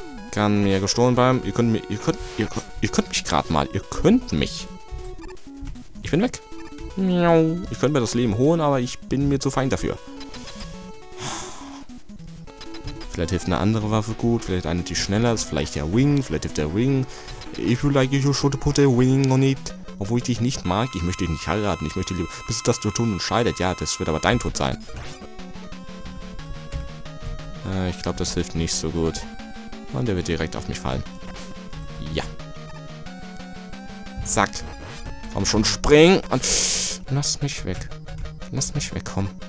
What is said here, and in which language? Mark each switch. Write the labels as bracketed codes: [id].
[de] Kann mir gestohlen bleiben. Ihr könnt mich gerade mal. Ich bin weg. Miau. Ich könnte mir das Leben holen, aber ich bin mir zu fein dafür. Vielleicht hilft eine andere Waffe gut. Vielleicht eine, die schneller ist. Vielleicht hilft der Ring. [en] If you like, you should put a ring on it. [de] Obwohl ich dich nicht mag, ich möchte dich nicht heiraten. Ich möchte lieber, bis das du tun entscheidet. Ja, das wird aber dein Tod sein. Ich glaube, das hilft nicht so gut. Und der wird direkt auf mich fallen. Ja. Zack. Komm schon, spring! Und lass mich weg. Lass mich weg, komm.